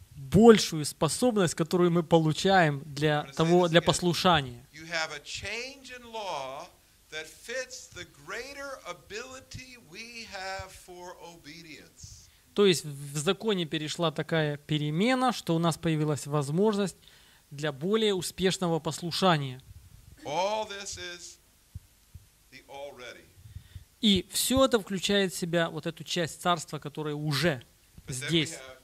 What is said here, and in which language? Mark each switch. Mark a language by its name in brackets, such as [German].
[Russian] большую способность, которую мы получаем для того, для послушания. [English] You have a change in law that fits the greater ability we have for obedience. [Russian] То есть в законе перешла такая перемена, что у нас появилась возможность для более успешного послушания. [English] All this is the already. [Russian] И все это включает в себя вот эту часть царства, которая уже здесь.